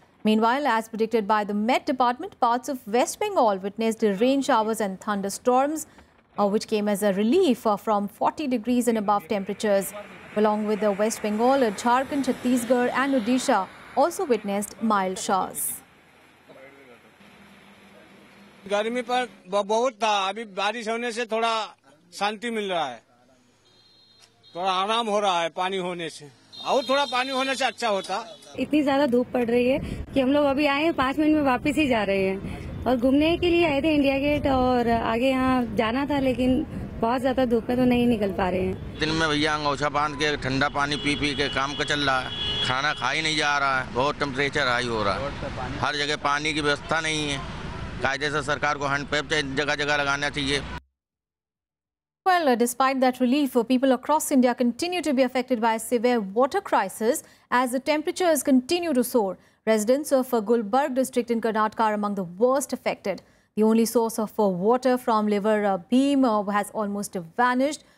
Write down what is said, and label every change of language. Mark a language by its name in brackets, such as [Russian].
[English] Meanwhile, as predicted by the Met Department, parts of West Bengal witnessed rain showers and thunderstorms, which came as a relief from 40 degrees and above temperatures. Along with the West Bengal, Jharkhand, Chhattisgarh and Odisha also witnessed mild showers. [Hindi] गर्मी पर बहुत था. अभी बारिश होने से थोड़ा शांति मिल रहा है, थोड़ा आराम हो रहा है पानी होने से. और थोड़ा पानी होने से अच्छा होता. इतनी ज्यादा धूप पड़ रही है कि हम लोग अभी आए हैं, 5 मिनट में वापस ही जा रहे हैं. और घूमने के लिए आए थे इंडिया गेट और आगे यहाँ जाना था, लेकिन बहुत ज्यादा धूप है तो नहीं निकल पा रहे हैं. दिन में भैया अंगोछा बांध के ठंडा पानी पी पी के काम का चल रहा है. खाना खा ही नहीं जा रहा है, बहुत टेम्परेचर हाई हो रहा है. हर जगह पानी की व्यवस्था नहीं है. कायदे से सरकार को हैंड पंप जगह जगह लगाना चाहिए. [English] Well, despite that relief, people across India continue to be affected by a severe water crisis as the temperatures continue to soar. Residents of Gulbarg district in Karnataka are among the worst affected. The only source of water from River Bheem has almost vanished.